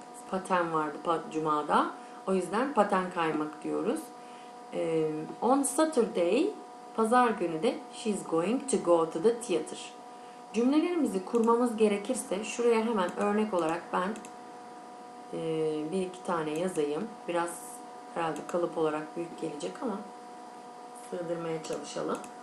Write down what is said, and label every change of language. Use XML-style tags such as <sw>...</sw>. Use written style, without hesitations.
<tr>Paten vardı Cuma'da, o yüzden paten kaymak diyoruz.</tr> <en>On Saturday,</en> <tr>pazar günü de</tr> <en>she's going to go to the theater.</en> <tr>Cümlelerimizi kurmamız gerekirse şuraya hemen örnek olarak ben bir iki tane yazayım. Biraz herhalde kalıp olarak büyük gelecek ama sığdırmaya çalışalım.</tr>